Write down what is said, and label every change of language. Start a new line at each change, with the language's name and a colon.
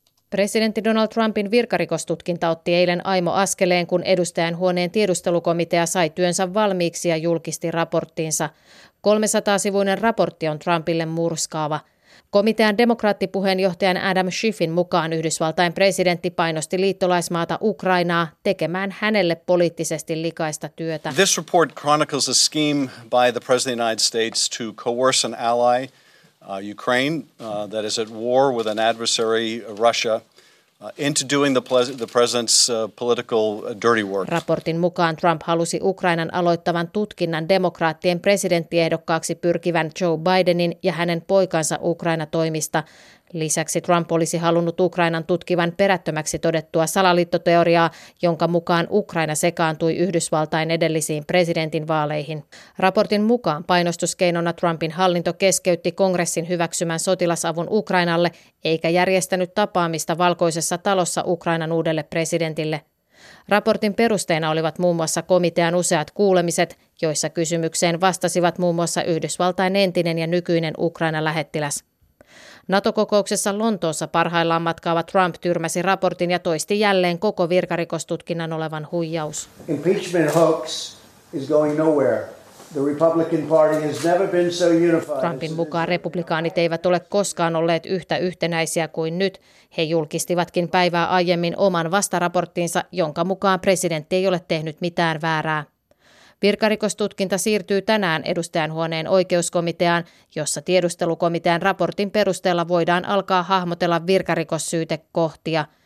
Finnish: Presidentti Donald Trumpin virkarikostutkinta otti eilen aimo askeleen, kun edustajainhuoneen tiedustelukomitea sai työnsä valmiiksi ja julkisti raporttiinsa. 300-sivuinen raportti on Trumpille murskaava. Komitean demokraattipuheenjohtajan Adam Schiffin mukaan Yhdysvaltain presidentti painosti liittolaismaata Ukrainaa tekemään hänelle poliittisesti likaista työtä.
English: This report chronicles a scheme by the president of the United States to coerce an ally, Ukraine, that is at war with an adversary, Russia, into doing the president's political dirty work.
Finnish: Raportin mukaan Trump halusi Ukrainan aloittavan tutkinnan demokraattien presidenttiehdokkaaksi pyrkivän Joe Bidenin ja hänen poikansa Ukraina-toimista. Lisäksi Trump olisi halunnut Ukrainan tutkivan perättömäksi todettua salaliittoteoriaa, jonka mukaan Ukraina sekaantui Yhdysvaltain edellisiin presidentin vaaleihin. Raportin mukaan painostuskeinona Trumpin hallinto keskeytti kongressin hyväksymän sotilasavun Ukrainalle eikä järjestänyt tapaamista Valkoisessa talossa Ukrainan uudelle presidentille. Raportin perusteena olivat muun muassa komitean useat kuulemiset, joissa kysymykseen vastasivat muun muassa Yhdysvaltain entinen ja nykyinen Ukraina-lähettiläs. NATO-kokouksessa Lontoossa parhaillaan matkaava Trump tyrmäsi raportin ja toisti jälleen koko virkarikostutkinnan olevan huijaus.
English: Impeachment hoax is going nowhere. The Republican Party has never been so unified.
Finnish: Trumpin mukaan republikaanit eivät ole koskaan olleet yhtä yhtenäisiä kuin nyt. He julkistivatkin päivää aiemmin oman vastaraporttinsa, jonka mukaan presidentti ei ole tehnyt mitään väärää. Virkarikostutkinta siirtyy tänään edustajanhuoneen oikeuskomiteaan, jossa tiedustelukomitean raportin perusteella voidaan alkaa hahmotella virkarikossyytekohtia.